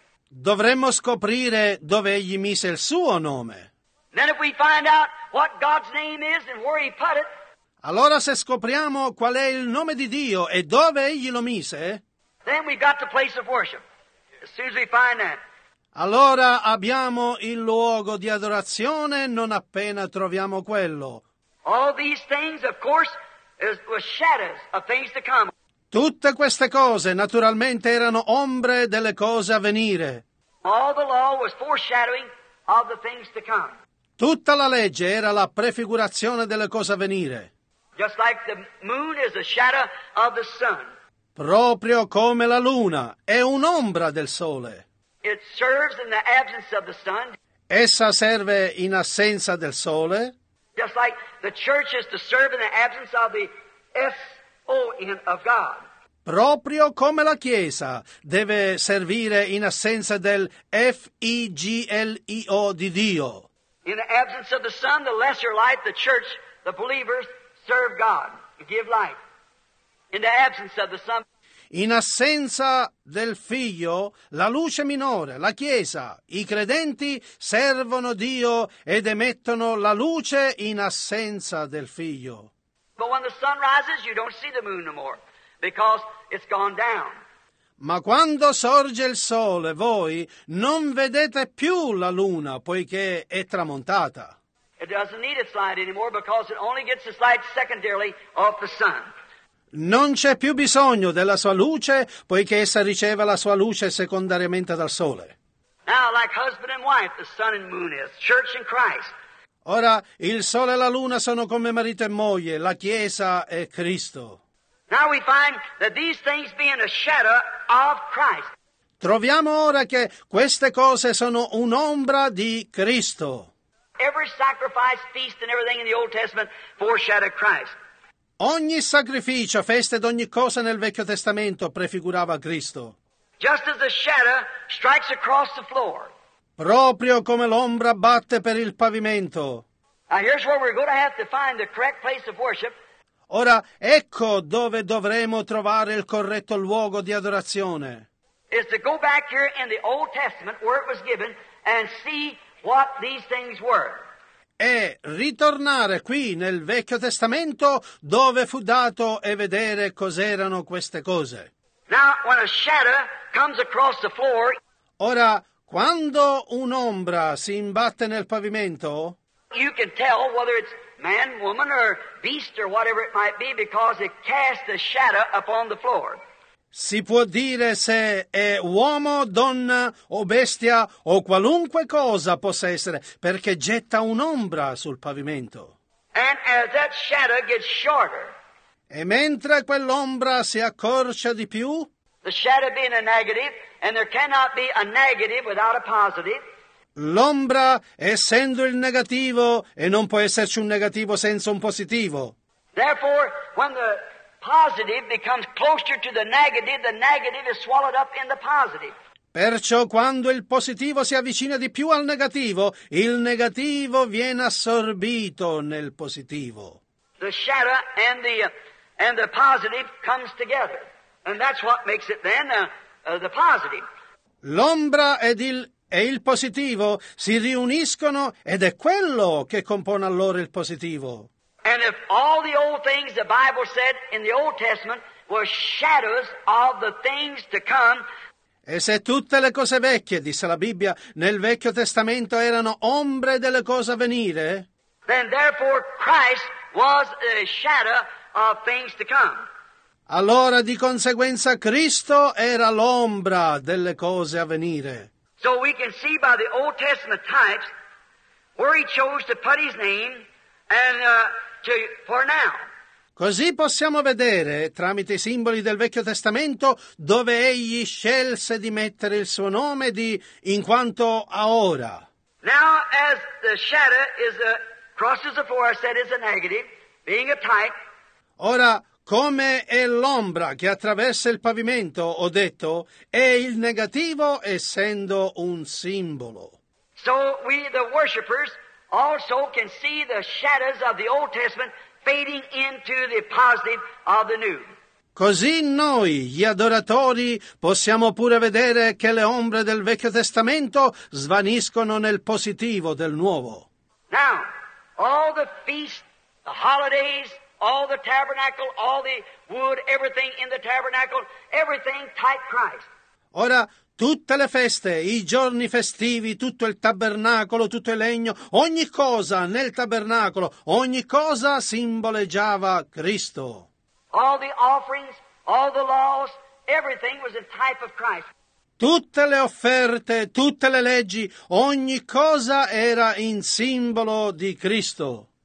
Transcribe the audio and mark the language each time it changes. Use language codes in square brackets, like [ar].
[it] Dovremmo scoprire dove egli mise il suo nome. [en] Then if we find out what God's name is and where he put it, [it] Allora se scopriamo qual è il nome di Dio e dove egli lo mise, [en] then we got the place of worship. As soon as we find that. [it] Allora abbiamo il luogo di adorazione non appena troviamo quello. [en] All these things, of course, were shadows of things to come. [it] Tutte queste cose naturalmente erano ombre delle cose a venire. [en] All the law was foreshadowing of the things to come. [it] Tutta la legge era la prefigurazione delle cose a venire. [en] Just like the moon is a shadow of the sun. [it] Proprio come la luna è un'ombra del sole. [en] It serves in the absence of the sun. [it] Essa serve in assenza del sole. [en] Just like the church is to serve in the absence of the S-O-N of God. [it] Proprio come la Chiesa deve servire in assenza del F-I-G-L-I-O di Dio. [en] In the absence of the sun, the lesser light, the church, the believers serve God, give light. In the absence of the sun. [it] In assenza del Figlio, la luce minore, la Chiesa, i credenti servono Dio ed emettono la luce in assenza del Figlio. [en] But when the sun rises, you don't see the moon no more, because it's gone down. [it] Ma quando sorge il sole, voi non vedete più la luna, poiché è tramontata. [en] It doesn't need its light anymore, because it only gets its light secondarily off the sun. [it] Non c'è più bisogno della sua luce, poiché essa riceve la sua luce secondariamente dal sole. [en] Now, like husband and wife, the sun and moon is church and Christ. [it] Ora, il sole e la luna sono come marito e moglie, la Chiesa e Cristo. [en] Now we find that these things being a shadow of Christ. [it] Troviamo ora che queste cose sono un'ombra di Cristo. [en] Every sacrifice, feast and everything in the Old Testament foreshadowed Christ. [it] Ogni sacrificio, festa ed ogni cosa nel Vecchio Testamento prefigurava Cristo. [en] Just as the shadow strikes across the floor. [it] Proprio come l'ombra batte per il pavimento. [en] Now here's where we're going to have to find the correct place of worship. [it] Ora ecco dove dovremo trovare il corretto luogo di adorazione. [en] Is to go back here in the Old Testament where it was given and see what these things were. [it] E ritornare qui nel Vecchio Testamento dove fu dato e vedere cos'erano queste cose. [en] Now, when a shadow comes across the floor, [it] ora, quando un'ombra si imbatte nel pavimento, [en] you can tell whether it's man, woman, or beast, or whatever it might be, because it casts a shadow upon the floor. [it] Si può dire se è uomo, donna o bestia o qualunque cosa possa essere, perché getta un'ombra sul pavimento. [en] And as that shadow gets shorter, [it] e mentre quell'ombra si accorcia di più, [en] the shadow being a negative, and there cannot be a negative without a positive, [it] l'ombra essendo il negativo e non può esserci un negativo senza un positivo. [en] Therefore, when the positive becomes closer to the negative is swallowed up in the positive. [it] Perciò quando il positivo si avvicina di più al negativo, il negativo viene assorbito nel positivo. [en] The shadow and the positive comes together. And that's what makes it then the positive. [it] L'ombra ed il positivo si riuniscono ed è quello che compone allora il positivo. [en] And if all the old things the Bible said in the Old Testament were shadows of the things to come. [it] E se tutte le cose vecchie, disse la Bibbia, nel Vecchio Testamento erano ombre delle cose a venire. [en] Then therefore Christ was a shadow of things to come. [it] Allora di conseguenza Cristo era l'ombra delle cose a venire. [en] So we can see by the Old Testament types where he chose to put his name and for now. [it] Così possiamo vedere, tramite i simboli del Vecchio Testamento, dove egli scelse di mettere il suo nome di in quanto a ora. [en] Now, as the shadow is crosses the floor, I said is a negative, being a type. [it] Ora, come è l'ombra che attraversa il pavimento, ho detto, è il negativo essendo un simbolo. [en] So we the worshippers also can see the shadows of the Old Testament fading into the positive of the new. [it] Così noi, gli adoratori, possiamo pure vedere che le ombre del Vecchio Testamento svaniscono nel positivo del nuovo. [en] Now, all the feasts, the holidays, all the tabernacle, all the wood, everything in the tabernacle, everything type Christ. [it] Ora, tutte le feste, i giorni festivi, tutto il tabernacolo, tutto il legno, ogni cosa nel tabernacolo, ogni cosa simboleggiava Cristo. [en] All the offerings, all the laws, everything was a type of Christ. [it] Tutte le offerte, tutte le leggi, ogni cosa era in simbolo di Cristo.